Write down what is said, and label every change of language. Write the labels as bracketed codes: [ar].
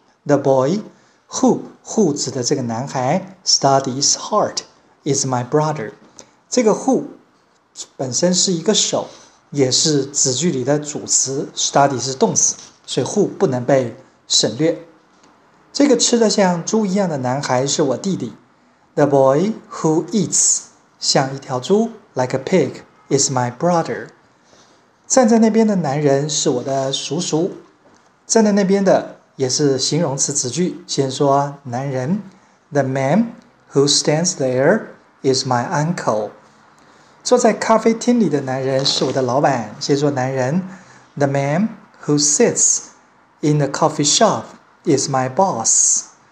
[en] The boy who [zh] 指的这个男孩 [en] studies hard is my brother。 [zh] 这个 who 本身是一个手，也是子句里的主词 ，study 是动词，所以 who 不能被省略。这个吃得像猪一样的男孩是我弟弟。 [en] The boy who eats [zh] 像一条猪 [en] like a pig is my brother。 [zh] 站在那边的男人是我的叔叔。站在那边的也是形容词子句，先说男人。 [en] The man who stands there is my uncle。 [zh] 坐在咖啡厅里的男人是我的老板，先说男人。 [en] The man who sits in the coffee shop is my boss。